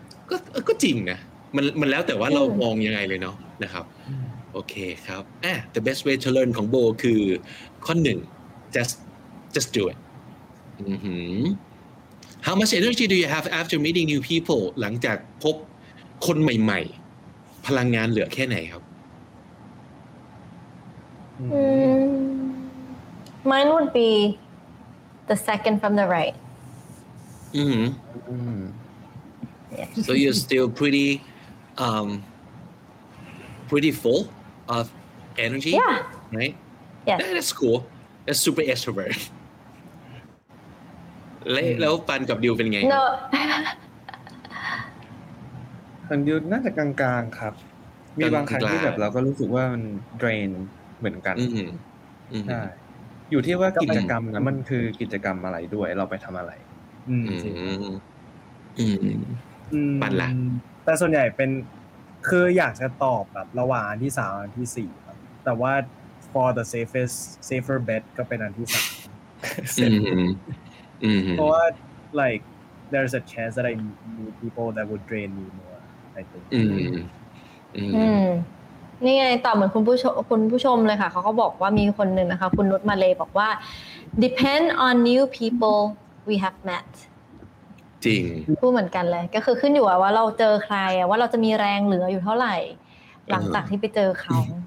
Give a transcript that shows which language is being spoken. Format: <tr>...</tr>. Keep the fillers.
<th>ก็เออก็จริงนะมันมันแล้วแต่ว่าเรามองยังไงเลยเนาะนะครับ โอเคครับอ่ะ</th> <en>the best way to learn</en> <th>ของโบคือข้อหนึ่ง</th> <en>just just do it</en> <th>อือหือ</th> <en>how much energy do you have after meeting new people</en> <th>หลังจากพบคนใหม่ๆ พลังงานเหลือแค่ไหนครับ</th> <en>อืม mine would be the second from the right อือหือ อืม so you're still pretty um pretty full of energy yeah right yes That- that's cool that's super extrovert</en> <th>และแล้วปันกับดิวเป็นไง</th> <en>no</en> <th>ทางเดียวน่าจะกลางๆครับ มีบางครั้งที่แบบเราก็รู้สึกว่ามัน drain เหมือนกัน อืมอืม ใช่อยู่ที่ว่า ก็ กิ เป็น จกรรมนะมันคือกิจกรรมอะไรด้วยเราไปทำอะไร อืม อื จริง มอืม อืม ปั่นล่ะ แต่ส่วนใหญ่เป็นคืออยากจะตอบแบบระหว่างอันที่สามอันที่สี่ครับแต่ว่า</th> <en>for the safest safer bet</en> <th>ก็เป็นอันที่สาม อืมอืม เพราะว่า</th> <en>like there's a chance that I meet people that would drain me more I think อืมอืม</en> <th>อืม นี่ไงตอบเหมือนคุณผู้ชมคุณผู้ชมเลยค่ะ เขาก็บอกว่ามีคนหนึ่งนะคะ คุณนุชมาเลยบอกว่า</th> <en>depend on new people we have met</en> <th>จริง พูดเหมือนกันเลย ก็คือขึ้นอยู่กับว่าเราเจอใครอะว่าเราจะมีแรงเหลืออยู่เท่าไหร่ หลังจากที่ไปเจอเขา</th>